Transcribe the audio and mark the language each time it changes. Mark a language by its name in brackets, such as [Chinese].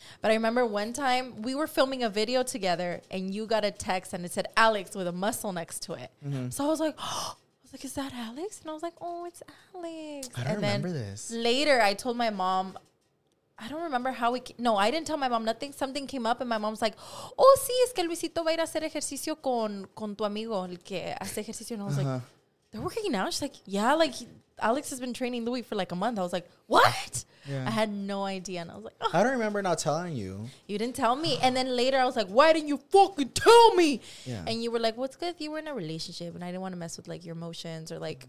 [English] But I remember one time we were filming a video together and you got a text and it said Alex with a muscle next to it. Mm-hmm. So I was like, oh. Like, is that Alex? And I was like, oh, it's Alex. I don't remember this. Later, I told my mom, I don't remember how we... I didn't tell my mom nothing. Something came up and my mom's like, oh, [Spanish] sí, es que Luisito va a ir a hacer ejercicio con tu amigo, el que hace ejercicio. [English] And I was like, they're working out? She's like, yeah, like, Alex has been training Louis for like a month. I was like, what? Yeah. I had no idea. And I was like, oh. I don't remember not telling you. You didn't tell me. And then later I was like, why didn't you fucking tell me? Yeah. And you were like, well, it's good if you were in a relationship and I didn't want to mess with like your emotions or like,